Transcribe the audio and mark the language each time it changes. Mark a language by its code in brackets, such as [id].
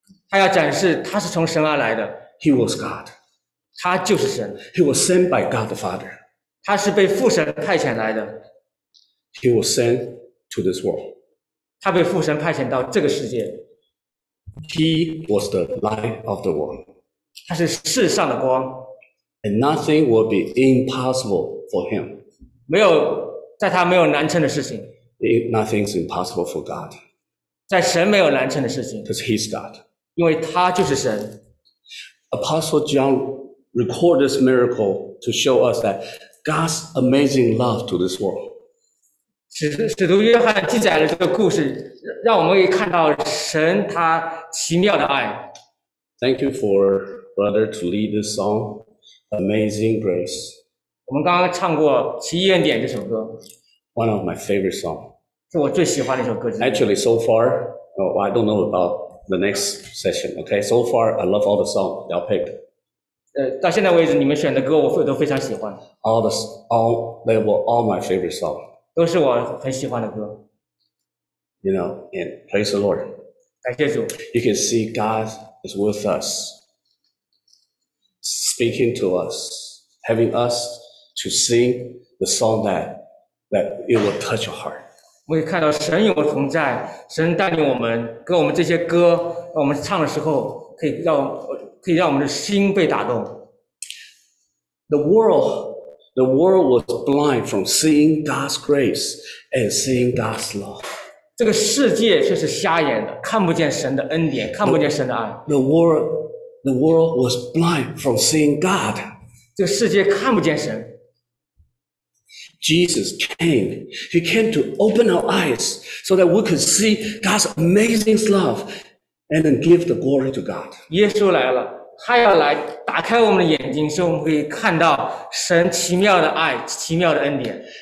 [zh] 他要展示他是从神而来的。 [en] He was God. [zh] 他就是神。 [en] He was sent by God the Father. [zh] 他是被父神派遣来的。 [en] He was sent to this world. [zh] 他被父神派遣到这个世界。 [en] He was the light of the world. [zh] 他是世上的光。 [en] And nothing will be impossible for him. [zh] 没有在他没有难成的事情。 [en] Nothing's impossible for God. [zh] 在神没有难成的事情。 [en] Because he's God. [zh] 因为他就是神。 [en] Apostle John recorded this miracle to show us that God's amazing love to this world. [zh] 使徒约翰记载了这个故事，让我们可以看到神他奇妙的爱。 [en] Thank you for brother to lead this song, Amazing Grace. [zh] 我们刚刚唱过《奇异恩典》这首歌。 [en] One of my favorite song. [zh] 是我最喜欢的一首歌曲。 [en] Actually, so far, I don't know about the next session. Okay, so far, I love all the songs y'all pick. [zh] 到现在为止，你们选的歌我都非常喜欢。 [en] They were all my favorite song. [zh] 都是我很喜欢的歌。 [en] You know, and praise the Lord. [zh] 感谢主。 [en] You can see God is with us, speaking to us, having us to sing the song that it will touch your heart. [zh] 我们可以看到神与我同在，神带领我们，跟我们这些歌，我们唱的时候，可以让我们的心被打动。 [en] The world was blind from seeing God's grace and seeing God's love. [zh] 这个世界却是瞎眼的，看不见神的恩典，看不见神的爱。 [en] The world was blind from seeing God. [zh] 这个世界看不见神。 [en] Jesus came. He came to open our eyes so that we could see God's amazing love and then give the glory to God. [zh] 耶稣来了。他要来打开我们的眼睛，使我们可以看到神奇妙的爱，奇妙的恩典。